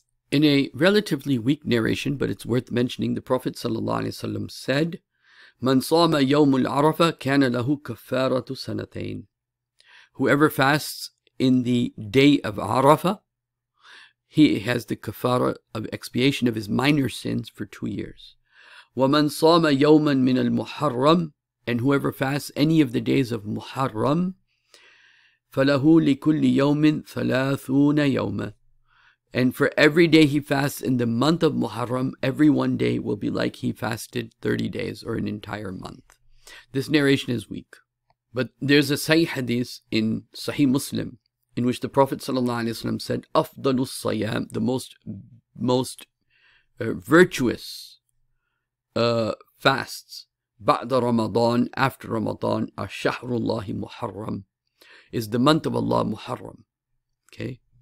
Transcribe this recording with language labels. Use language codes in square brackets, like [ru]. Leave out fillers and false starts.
[en] In a relatively weak narration, but it's worth mentioning, the Prophet sallallahu alaihi wasallam said, [ar] من صام يوم العرفة كان له كفارة سنتين. [en] Whoever fasts in the day of Arafa, he has the kafara of expiation of his minor sins for 2 years. [ar] ومن صام يوما من المحرم, [en] and whoever fasts any of the days of Muharram, [ar] فله لكل يوم ثلاثون يوما, [en] And for every day he fasts in the month of Muharram, every one day will be like he fasted 30 days or an entire month. This narration is weak. But there's a Sahih Hadith in Sahih Muslim in which the Prophet ﷺ said, [ar] أَفْضَلُ الصَّيَامِ, [en] the most virtuous fasts, [ar] بَعْدَ رَمَضَان, [en] after Ramadan, [ar] أَشْهَرُ اللَّهِ مُحَرَّمُ, [en] is the month of Allah Muharram. Okay?